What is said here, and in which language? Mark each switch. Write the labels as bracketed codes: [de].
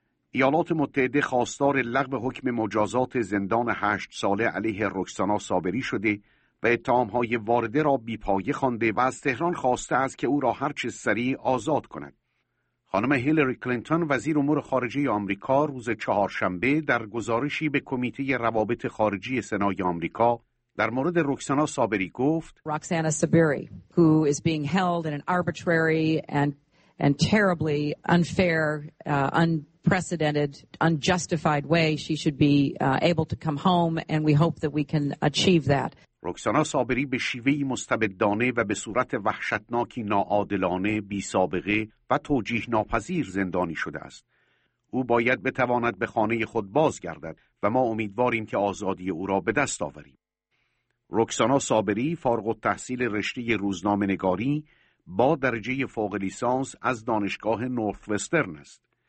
[fa] ایالات متحده خواستار لغو حکم مجازات زندان 8 ساله علیه رکسانا صابری شده و اتهام‌های وارده را بی‌پایه خوانده و از تهران خواسته است که او را هر چه سریع آزاد کند. خانم هیلری کلینتون وزیر امور خارجه آمریکا روز 4 شنبه در گزارشی به کمیته روابط خارجی سنای آمریکا در مورد رکسانا صابری گفت: [en] Roxana Sabiri, who is being held in an arbitrary and terribly unfair, unprecedented, unjustified way, she should be able to come home and we hope that we can achieve that. [fa] رکسانا صابری به شیوهی مستبدانه و به صورت وحشتناکی ناعادلانه، بی‌سابقه و توجیه ناپذیر زندانی شده است. او باید بتواند به خانه خود بازگردد و ما امیدواریم که آزادی او را به دست آوریم. رکسانا صابری فارغ التحصیل رشته روزنامه نگاری با درجه فوق لیسانس از دانشگاه نورث وسترن است.